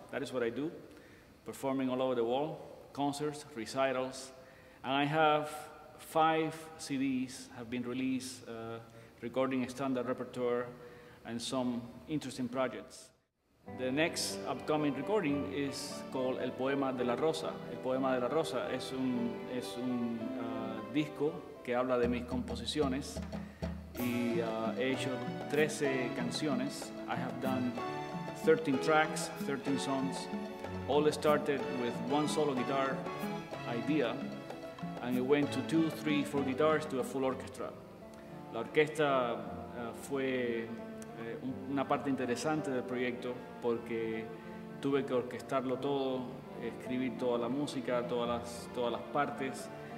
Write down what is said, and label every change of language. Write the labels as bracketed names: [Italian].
[English] That is what I do, performing all over the world, concerts, recitals, and I have 5 CDs have been released, recording a standard repertoire and some interesting projects. The next upcoming recording is called El Poema de la Rosa. [Spanish] El Poema de la Rosa es un disco que habla de mis composiciones y he hecho 13 canciones. [English] I have done 13 tracks, 13 songs. All started with one solo guitar idea and it went to 2, 3, 4 guitars to a full orchestra. [Spanish] La orquesta fue una parte interesante del proyecto porque tuve que orquestarlo todo, escribir toda la música, todas las partes.